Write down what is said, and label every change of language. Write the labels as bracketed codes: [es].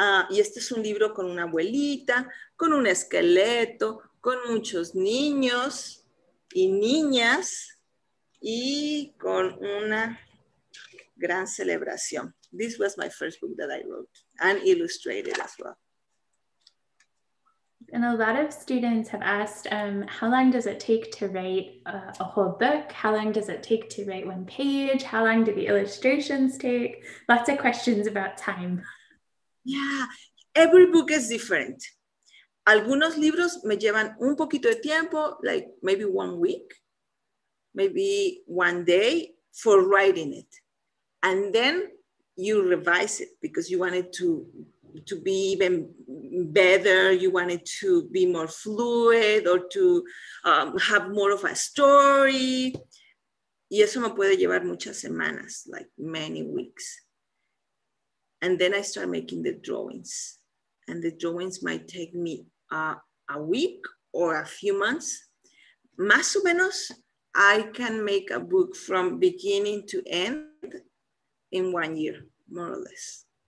[es] Y este es un libro con una abuelita, con un esqueleto, con muchos niños y niñas y con una gran celebración. [en] This was my first book that I wrote and illustrated as well. And a lot of students have asked, how long does it take to write a whole book? How long does it take to write one page? How long do the illustrations take? Lots of questions about time. Yeah, every book is different. [es] Algunos libros me llevan un poquito de tiempo, [en] like maybe 1 week, maybe 1 day for writing it. And then you revise it because you want it to be even better, you want it to be more fluid or to have more of a story. [es] Y eso me puede llevar muchas semanas, [en] like many weeks. And then I start making the drawings. And the drawings might take me a week or a few months. [es] Más o menos, [en] I can make a book from beginning to end in 1 year, more or less.